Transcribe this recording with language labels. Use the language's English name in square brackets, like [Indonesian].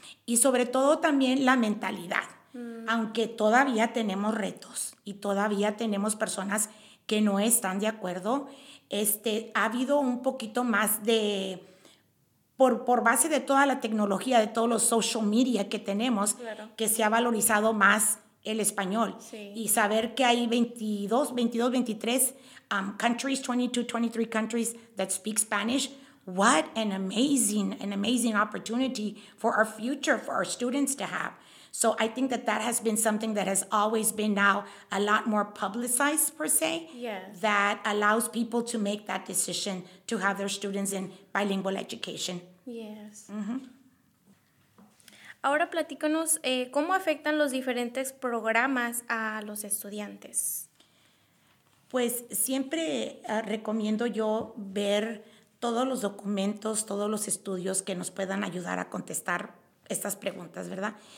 [Spanish] Y sobre todo también la mentalidad. Aunque todavía tenemos retos y todavía tenemos personas que no están de acuerdo, ha habido un poquito más de... Por base de toda la tecnología, de todos los social media que tenemos, claro, que se ha valorizado más el español. Sí. Y saber que hay [English] 22, 23 countries that speak Spanish, what an amazing opportunity for our future, for our students to have. So I think that has been something that has always been now a lot more publicized, per se, yes, that allows people to make that decision to have their students in bilingual education. Yes. Mm-hmm. [Spanish] Ahora platícanos, ¿cómo afectan los diferentes programas a los estudiantes? Pues siempre recomiendo yo ver todos los documentos, todos los estudios que nos puedan ayudar a contestar estas preguntas, ¿verdad?